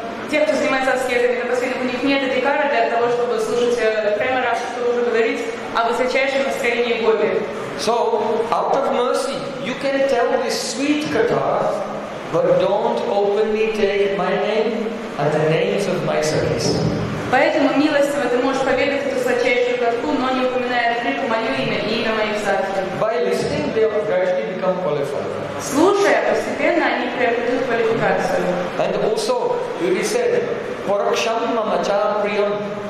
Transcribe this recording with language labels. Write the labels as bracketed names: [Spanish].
[Russian] Тех, кто занимается аскезами, у них нет адикара для того, чтобы служить премараше, чтобы уже говорить о высочайшем настроении Гопи. [English] So, out of mercy, you can tell this sweet katha, but don't openly take my name and the names of my sakhis. [Russian] Поэтому, милостиво, ты можешь поведать эту высочайшую катху, но не упоминая открыто мое имя и имя моих сакхи. [English] By listening, they will gradually become qualified. [Russian] Слушая, постепенно они приобретут квалификацию. [English] And also, he said, [Sanskrit] Paraksham Mamacha Priyam.